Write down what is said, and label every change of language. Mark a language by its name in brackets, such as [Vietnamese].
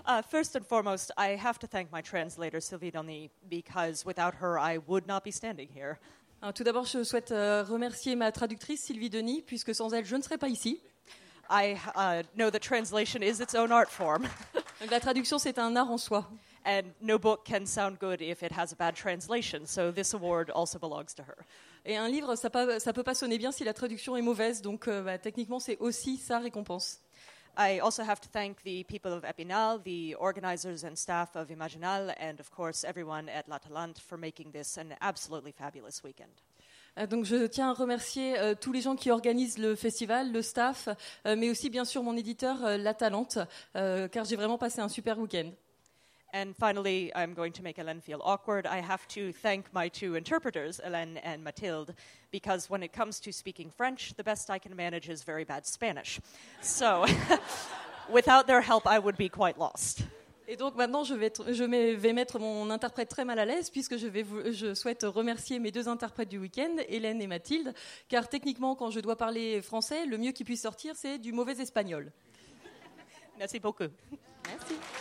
[English] First and foremost, I have to thank my translator, Sylvie Denis, because without her, I would not be standing here. [French] Tout d'abord, je souhaite remercier ma traductrice, Sylvie Denis, puisque sans elle, je ne serais pas ici. [English] I know that translation is its own art form. [French] La traduction, c'est un art en soi. [English] And no book can sound good if it has a bad translation, so this award also belongs to her. [French] Et un livre, ça peut pas sonner bien si la traduction est mauvaise, donc techniquement, c'est aussi sa récompense. [English] I also have to thank the people of Épinal, the organizers and staff of Imaginal, and of course everyone at L'Atalante for making this an absolutely fabulous weekend. [French] Donc je tiens à remercier tous les gens qui organisent le festival, le staff, mais aussi bien sûr mon éditeur, L'Atalante, car j'ai vraiment passé un super weekend. [English] And finally, I'm going to make Hélène feel awkward. I have to thank my two interpreters, Hélène and Mathilde, because when it comes to speaking French, the best I can manage is very bad Spanish. So, without their help, I would be quite lost. [French] Et donc maintenant, je vais mettre mon interprète très mal à l'aise, puisque je souhaite remercier mes deux interprètes du week-end, Hélène et Mathilde, car techniquement, quand je dois parler français, le mieux qui puisse sortir, c'est du mauvais espagnol. Merci beaucoup. Merci.